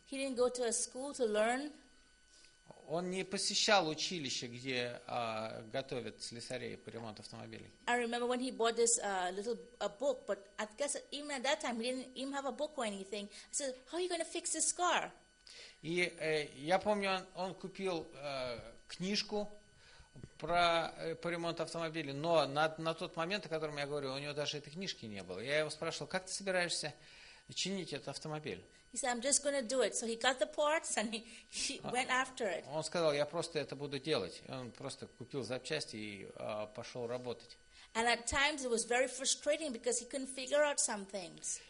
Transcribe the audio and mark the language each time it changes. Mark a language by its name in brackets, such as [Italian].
[English] He didn't go to a school to learn. [Russian] Он не посещал училище, где готовят слесарей по ремонту автомобилей. [English] I remember when he bought this little book, but I guess even at that time he didn't even have a book or anything. I said, "How are you going to fix this car?" [Russian] И я помню, он купил книжку по ремонту автомобилей, но на тот момент, о котором я говорю, у него даже этой книжки не было. Я его спрашивал, как ты собираешься чинить этот автомобиль? [English] He said, "I'm just going to do it." So he got the parts and he went after it. [Russian] Он сказал, я просто это буду делать. Он просто купил запчасти и пошел работать. [English] And at times it was very frustrating because he couldn't figure out some things.